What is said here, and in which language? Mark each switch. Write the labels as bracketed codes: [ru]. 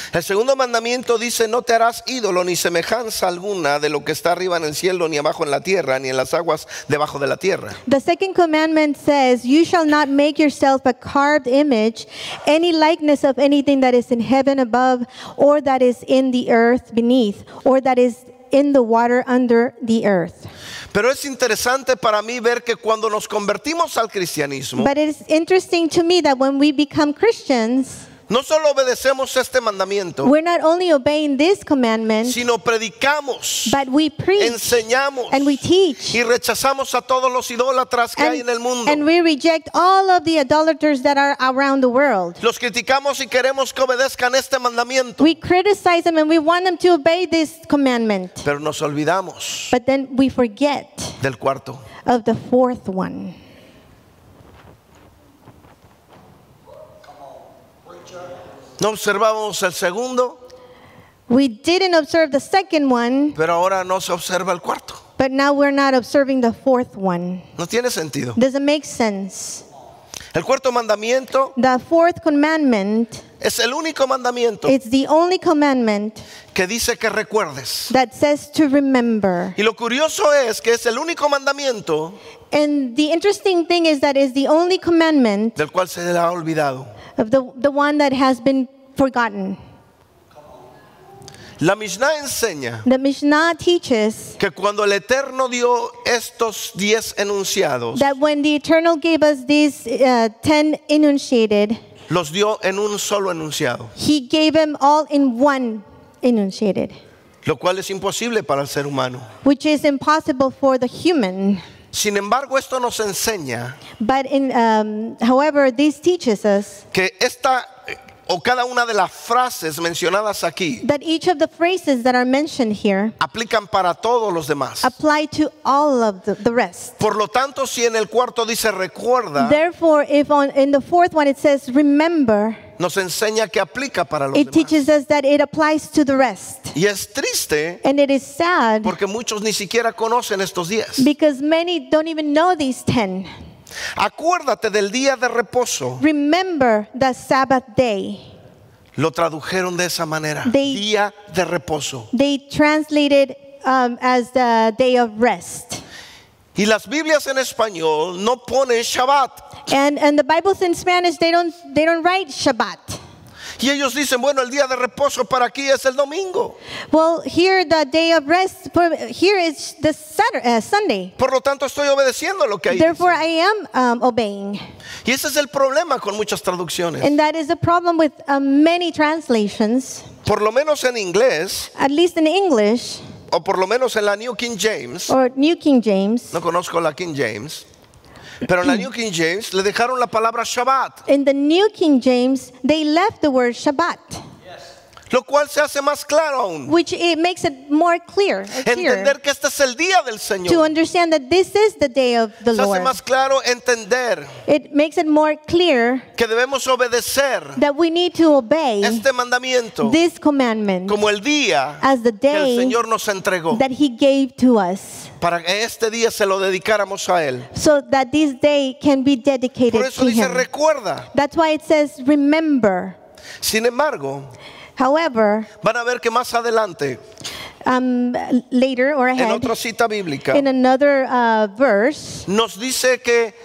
[es] El segundo mandamiento dice no te harás ídolo ni semejanza alguna de lo que está arriba en el cielo ni abajo en la tierra ni en las aguas debajo de la tierra. [en] The second commandment says, you shall not make yourself a carved image, any likeness of anything that is in heaven above, or that is in the earth beneath, or that is in the water under the earth. [es] Pero es interesante para mí ver que cuando nos convertimos al cristianismo, [en] but it is interesting to me that when we become Christians, [es] no solo obedecemos este mandamiento, [en] we're not only obeying this commandment, [es] sino predicamos, [en] but we preach, [es] enseñamos, [en] and we teach, [es] y rechazamos a todos los idólatras que hay en el mundo, [en] and we reject all of the idolaters that are around the world. [es] Los criticamos y queremos que obedezcan este mandamiento. [en] We criticize them and we want them to obey this commandment. [es] Pero nos olvidamos, [en] but then we forget, [es] del cuarto, [en] of the fourth one. [es] No observamos el segundo. [en] We didn't observe the second one. [es] Pero ahora no se observa el cuarto. [en] But now we're not observing the fourth one. [es] No tiene sentido. [en] Does it make sense? [es] El cuarto mandamiento. [en] The fourth commandment. [es] Es el único mandamiento. [en] It's the only commandment. [es] Que dice que recuerdes. [en] That says to remember. [es] Y lo curioso es que es el único mandamiento. [en] And the interesting thing is that it's the only commandment. [es] Del cual se le ha olvidado. [en] Of the one that has been forgotten. [es] La Mishnah enseña [en] the Mishnah teaches [es] que cuando el Eterno dio estos 10 enunciados, [en] that when the Eternal gave us these 10 enunciated, [es] los dio en un solo enunciado. [en] He gave them all in one enunciated. [es] Lo cual es imposible para el ser humano. [en] Which is impossible for the human. [es] Sin embargo, esto nos enseña [en] however, this teaches us [es] que esta o cada una de las frases mencionadas aquí [en] that each of the phrases that are mentioned here [es] aplican para todos los demás. [en] Apply to all of the rest. [es] Por lo tanto, si en el cuarto dice recuerda, [en] therefore, if on, in the fourth one it says remember, [es] nos enseña que aplica para los [en] it [es] demás. [en] Teaches us that it applies to the rest. [es] Y es triste, [en] and it is sad, [es] porque muchos ni siquiera conocen estos 10. [en] Because many don't even know these 10. [es] Acuérdate del día de reposo. [en] Remember the Sabbath day. [es] Lo tradujeron de esa manera. [en] They, [es] día de reposo. [en] They translated as the day of rest. [es] Y las Biblias en español no ponen Shabbat. [en] And the Bibles in Spanish they don't write Shabbat. [es] Y ellos dicen, bueno, el día de reposo para aquí es el domingo. [en] Well, here the day of rest for here is the Saturday, Sunday. [es] Por lo tanto, estoy obedeciendo lo que ahí [en] therefore, [es] dice. [en] I am obeying. [es] Y ese es el problema con muchas traducciones. [en] And that is a problem with many translations. [es] Por lo menos en inglés. [en] At least in English. [es] O por lo menos en la New King James. [en] Or New King James. [es] No conozco la King James. Pero en la New King James le dejaron la palabra Shabbat. [en] In the New King James, they left the word Shabbat. [es] Lo cual se hace más claro aún. [en] Which it makes it more clear. [es] Entender que este es el día del Señor. [en] To understand that this is the day of the Lord. [es] Se hace más claro entender. [en] It makes it more clear. [es] Que debemos obedecer. [en] That we need to obey. [es] Este mandamiento. [en] This commandment. [es] Como el día. [en] As the day. [es] Que el Señor nos entregó. [en] That he gave to us. [es] Para que este día se lo dedicáramos a él. [en] So that this day can be dedicated to him. [es] Por eso dice recuerda. [en] That's why it says remember. [es] Sin embargo. [en] However, [es] van a ver que más adelante, [en] later or ahead, [es] en otra cita bíblica, [en] in another verse, [es] nos dice que